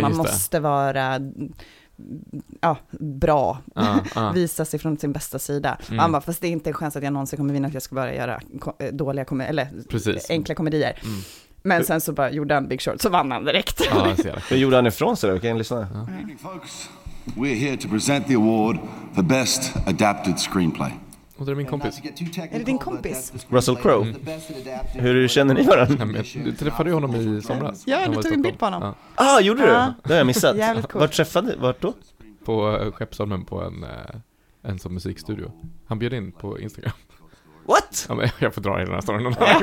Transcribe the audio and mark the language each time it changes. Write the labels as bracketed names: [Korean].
[Swedish] Man måste vara... bra. Visa sig från sin bästa sida. Han bara, fast det är inte en chans att jag någonsin kommer vinna, att jag ska bara göra dåliga eller precis, enkla komedier. Men sen så bara gjorde han Big Short, så vann han direkt. Hur gjorde han ifrån sig då? Okay, lyssna. [English] Folks, we're here to present the award for best adapted screenplay. [Swedish] Och det är min kompis. Är det din kompis? Russell Crowe. Hur känner ni varandra? Nej, men jag träffade ju honom i somras. Ja, du tog en bild på honom. Gjorde du? Det har jag missat. Vart träffade du? Vart då? På Skeppsholmen på en sån musikstudio. Han bjöd in på Instagram. [English] What? [Swedish] Ja, men jag får dra i den här storyn.